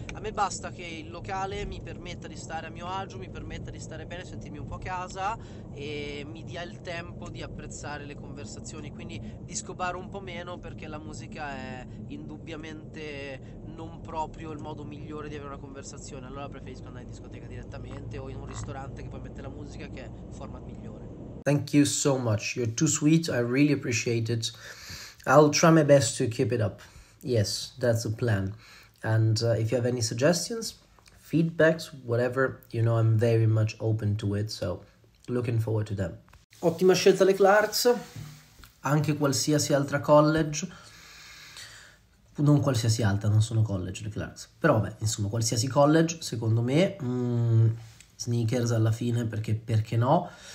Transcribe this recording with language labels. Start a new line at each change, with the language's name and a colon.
Italian: A me basta che il locale mi permetta di stare a mio agio, mi permetta di stare bene, sentirmi un po' a casa e mi dia il tempo di apprezzare le conversazioni. Quindi disco bar un po' meno perché la musica è indubbiamente non proprio il modo migliore di avere una conversazione. Allora preferisco andare in discoteca direttamente o in un ristorante che poi mette la musica, che è il format migliore.
English: Thank you so much. You're too sweet. I really appreciate it. I'll try my best to keep it up. Yes, that's the plan. And if you have any suggestions, feedbacks, whatever, you know I'm very much open to it, so looking forward to them.
Italian: Ottima scelta le Clarks, anche qualsiasi altra college. Non qualsiasi altra, non sono college le Clarks. Però vabbè, insomma, qualsiasi college, secondo me, sneakers alla fine, perché no?